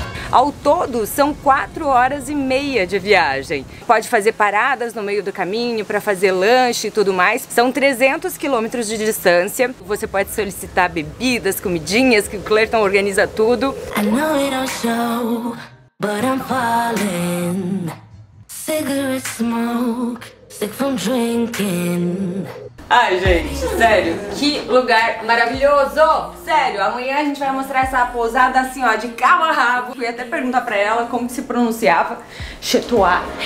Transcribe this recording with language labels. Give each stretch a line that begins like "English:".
Portuguese: Ao todo, são 4 horas e meia de viagem. Pode fazer paradas no meio do caminho para fazer lanche e tudo mais. São 300 quilômetros de distância. Você pode solicitar bebidas, comidinhas, que o Clerton organiza tudo.
English: I know it don't show, but I'm falling. Cigarette smoke, sick from drinking.
Portuguese: Ai, gente, sério, que lugar maravilhoso! Sério, amanhã a gente vai mostrar essa pousada assim, ó, de cabo a rabo. Fui até perguntar pra ela como que se pronunciava. Chetuá.